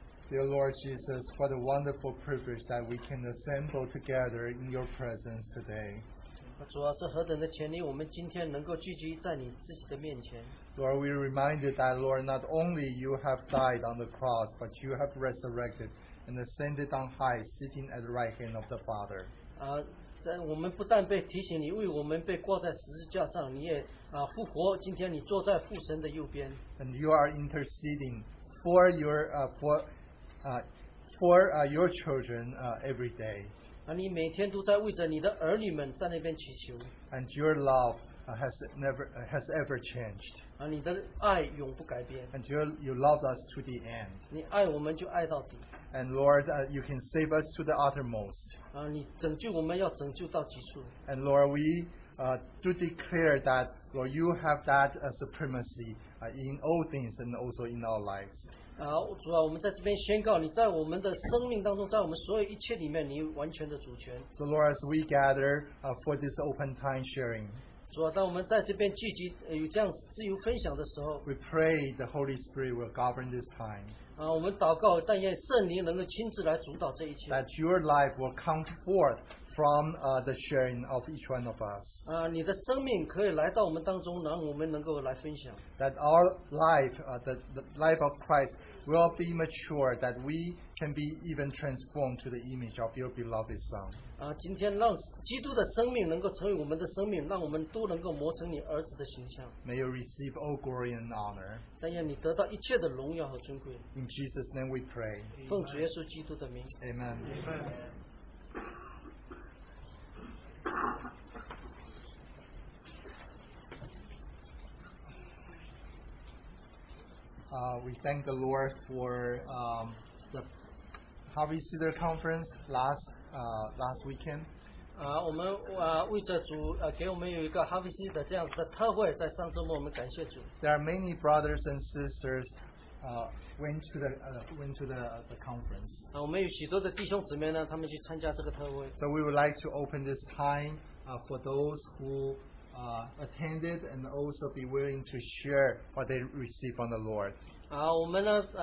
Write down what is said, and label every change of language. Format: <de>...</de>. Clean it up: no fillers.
<en>Dear Lord Jesus, what a wonderful privilege that we can assemble together in your presence today.</en> <zh>主啊，是何等的权利，我们今天能够聚集在你自己的面前。Lord,</zh> <en>we are reminded that, Lord, not only you have died on the cross, but you have resurrected and ascended on high, sitting at the right hand of the Father.</en> <zh>我们不但被提醒你为我们被挂在十字架上，你也复活，今天你坐在父神的右边。</zh> <en>And you are interceding for your children every day.</en> <zh>你每天都在为着你的儿女们在那边祈求。And</zh> <en>your love has ever changed.</en> <zh>你的爱永不改变。And</zh> <en>you love us to the end.</en> <zh>你爱我们就爱到底。And</zh> <en>Lord, you can save us to the uttermost.</en> <zh>你拯救我们要拯救到极处。And</zh> <en>Lord, we do declare that, Lord, you have that supremacy in all things and also in our lives.</en> <zh>主啊，我们在这边宣告，你在我们的生命当中，在我们所有一切里面，你完全的主权。So</zh> <en>Lord, as we gather for this open time sharing,</en> <zh>主啊，当我们在这边聚集有这样自由分享的时候，we</zh> <en>pray the Holy Spirit will govern this time.</en> <zh>我们祷告，但愿圣灵能够亲自来主导这一切。That</zh> <en>your life will come forth from the sharing of each one of us.</en> <zh>你的生命可以来到我们当中，让我们能够来分享。That</zh> <en>our life, the life of Christ, will be mature, that we can be even transformed to the image of your beloved Son.</en> <zh>今天让基督的生命能够成为我们的生命，让我们都能够磨成你儿子的形象。May</zh> <en>you receive all glory and honor.</en> <zh>但愿你得到一切的荣耀和尊贵。In</zh> <en>Jesus' name we pray.</en> <zh>奉主耶稣基督的名。Amen.</zh> <en>We thank the Lord for the Harvey Cedar conference last weekend.</en> <zh>我们为着主给我们有一个 Harvey Cedar 这样的特会，在上周末我们感谢主。</zh> <en>There are many brothers and sisters went to the conference.</en> <zh>我们有许多的弟兄姊妹呢，他们去参加这个特会。</zh> <en>So we would like to open this time for those who attended and also be willing to share what they receive from the Lord.</en>